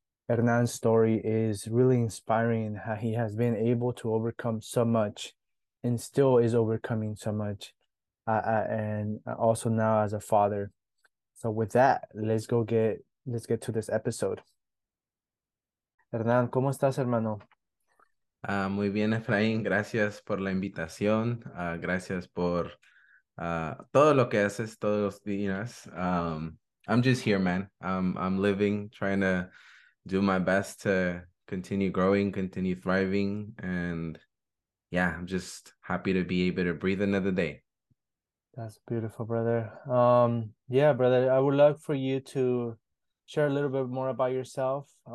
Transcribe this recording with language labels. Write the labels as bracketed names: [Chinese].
[English] Hernan's story is really inspiring. How he has been able to overcome so much, and still is overcoming so much, and also now as a father. So with that, let's get to this episode. [Spanish] Hernán, ¿cómo estás, hermano? Muy bien, Efraín. Gracias por la invitación. Gracias por todo lo que haces todos los días. [English] I'm just here, man. I'm living, trying to do my best to continue growing, continue thriving. And yeah, I'm just happy to be able to breathe another day. That's beautiful, brother. Yeah, brother, I would love for you to share a little bit more about yourself.